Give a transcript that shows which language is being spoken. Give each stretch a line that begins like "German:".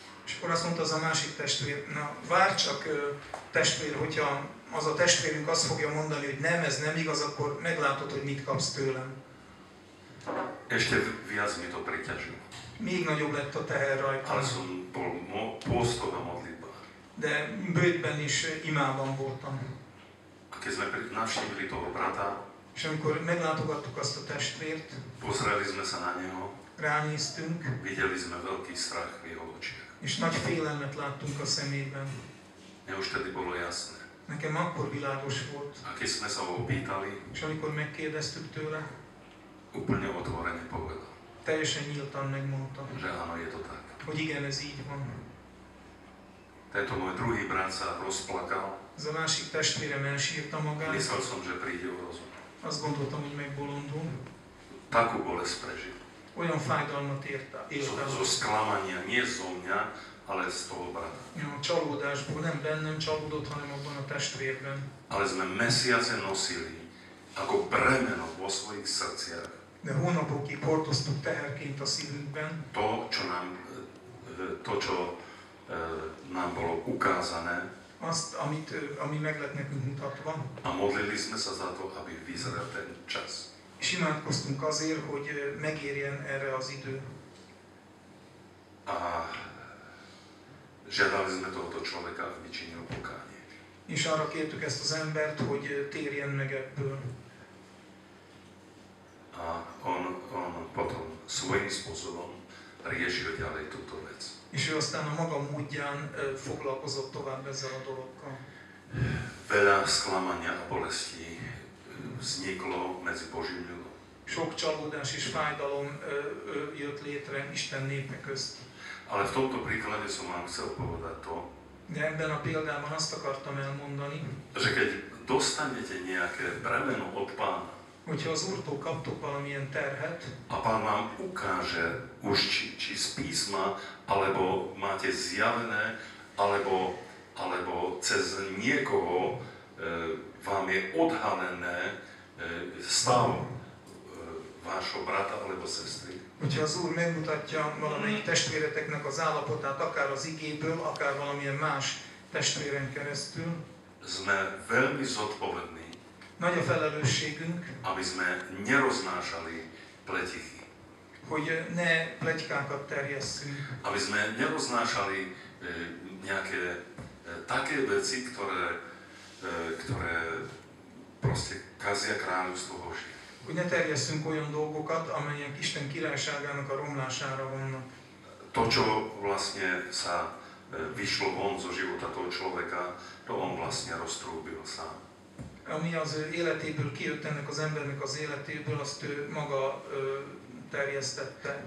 Hungarian: És akkor azt mondta az a másik testvér, na várj csak testvér, hogyha az a testvérünk azt fogja mondani, hogy nem, ez nem igaz, akkor meglátod, hogy mit kapsz tőlem.
Slovak: Ešte viac mi to priťažil.
Hungarian: Még nagyobb lett a teher rajta.
Slovak: Ale som bol postol a modlitba.
Hungarian: De bőtben is imában voltam.
Slovak: A keď sme navštívili toho brata,
Hungarian: és amikor meglátogattuk azt a testvért,
Slovak: pozreli sme sa na neho,
Hungarian: ránéztünk,
Slovak: videli sme veľký strach v jeho očiach.
Hungarian: És nagy félelmet láttunk a szemében.
Slovak: Ja už tedy bolo jasné.
Hungarian: Nekem akkor világos volt.
Slovak: A keď sme sa ho opýtali.
Hungarian: És amikor megkérdeztük tőle.
Slovak: Úplne otvorene povedal.
Hungarian: Teljesen nyíltan megmondta.
Slovak: Že áno, je to tak.
Hungarian: Hogy igen, ez így van.
Slovak: Tento môj druhý brat sa rozplakal.
Hungarian: Za másik testvérem elsírta magát.
Slovak: Myslel som, že príde o rozum.
Hungarian: Azt gondoltam, hogy megbolondul.
Slovak: Takú bolesť prežil.
Hungarian: Olyan fájdalmat érte.
Slovak: Zo sklamania, nie zo mňa, ale z toho brata.
Hungarian: Ja, csalódásból, nem bennem csalódott, hanem abban a testvérben.
Slovak: Ale sme mesiace nosili, ako bremeno vo svojich srdciach.
Hungarian: De hónapokig hordoztuk teherként a szívünkben.
Slovak: To, čo nám bolo ukázané.
Hungarian: Azt, ami meg lett nekünk mutatva.
Slovak: A modlili sme sa za to, aby vyzeral ten čas.
Hungarian: És imádkoztunk azért, hogy megérjen erre az idő.
Slovak: A žiadali sme tohoto človeka v ničinie o pokánie.
Hungarian: És arra kértük ezt az embert, hogy térjen meg ebből.
Slovak: A on potom svojím spôsobom riešil ďalej túto vec.
Hungarian: És ő aztán a maga módján foglalkozott tovább ezzel a dologgal.
Slovak: Veľa sklamania a bolesti vzniklo medzi Božím ľudom.
Hungarian: Sok csalódás és fájdalom jött létre Isten népe közt.
Slovak: Ale v tomto príklade som vám chcel povedať to.
Hungarian: De ebben a példában azt akartam elmondani.
Slovak: Že keď dostanete nejaké bremeno od Pána,
Hungarian: hogyha az Úrtól kaptok valamilyen terhet,
Slovak: a Pán vám ukáže už či z písma, alebo máte zjavené, alebo cez niekoho vám je odhalené stav vášho brata alebo sestry.
Hungarian: Hogyha az Úr megmutatja valamelyik testvéreteknek az állapotát, akár az igéből, akár valamilyen más testvéren keresztül,
Slovak: sme veľmi zodpovední.
Hungarian: Nagy a felelősségünk,
Slovak: aby sme neroznášali pletichy.
Hungarian: Hogy ne pletikákat terjesszünk.
Slovak: Aby sme neroznášali nejaké také veci, ktoré proste kazia kráľovstvo Božie.
Hungarian: Hogy ne terjesszünk olyan dolgokat, amelyek Isten királyságának a romlására vannak.
Slovak: To, čo vlastne sa vyšlo von zo života toho človeka, to on vlastne roztrúbil sám.
Hungarian: Ami az életéből kijött, ennek az embernek az életéből, azt ő maga terjesztette.